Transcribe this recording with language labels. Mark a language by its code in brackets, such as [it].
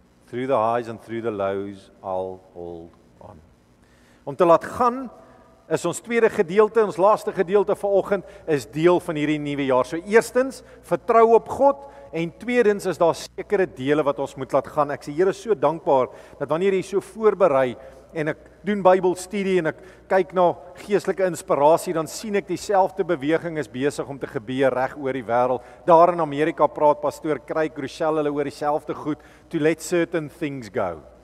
[en] Through the highs and through the lows, I'll hold on. [af] Om te laat gaan, is ons tweede gedeelte, ons laaste gedeelte vanoggend, is deel van hierdie nuwe jaar. So eerstens, vertrou op God, en tweedens is daar sekere dele wat ons moet laat gaan. Ek sê, Here, so dankbaar, dat wanneer jy so voorberei, en ek doen Bybelstudie, en ek kyk na geestelike inspirasie, dan sien ek dieselfde beweging is besig om te gebeur reg oor die wêreld. Daar in Amerika praat pastoor Craig Rochelle, hulle oor dieselfde goed, [en] to let certain things go.